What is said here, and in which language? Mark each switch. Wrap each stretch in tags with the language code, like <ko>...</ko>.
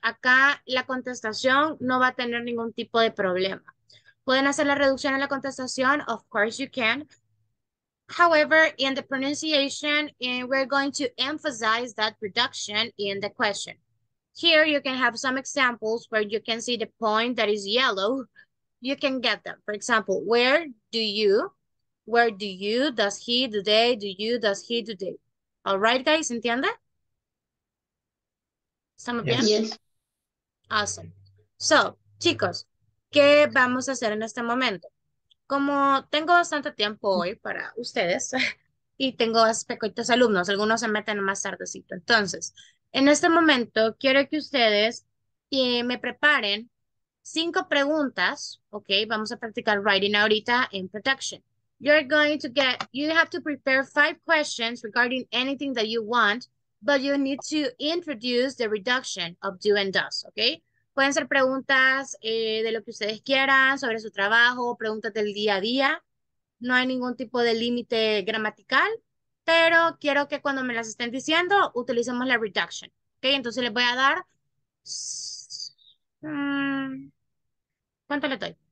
<es>Acá la contestación no va a tener ningún tipo de problema. ¿Pueden hacer la reducción en la contestación?</es> <en>Of course you can. However, in the pronunciation, we're going to emphasize that reduction in the question. Here you can have some examples where you can see the point that is yellow. You can get them. For example, where do you, does he, do they, do you, does he, do they. All right, guys,</en> <es>¿entiende? ¿Estamos bien?</es> <en>Yes. Awesome.</en> <es>So, chicos, ¿qué vamos a hacer en este momento? Como tengo bastante tiempo hoy para ustedes y tengo pequeñitos alumnos, algunos se meten más tardecito. Entonces, en este momento quiero que ustedes me preparen 5 preguntas, ok, vamos a practicar writing ahorita en production.</es> <en>You're going to get, you have to prepare 5 questions regarding anything that you want, but you need to introduce the reduction of do and does, ok.</en> <es>Pueden ser preguntas de lo que ustedes quieran, sobre su trabajo, preguntas del día a día. No hay ningún tipo de límite gramatical, pero quiero que cuando me las estén diciendo, utilicemos la reduction, ok. Entonces les voy a dar ¿Cuánto le doy?</es>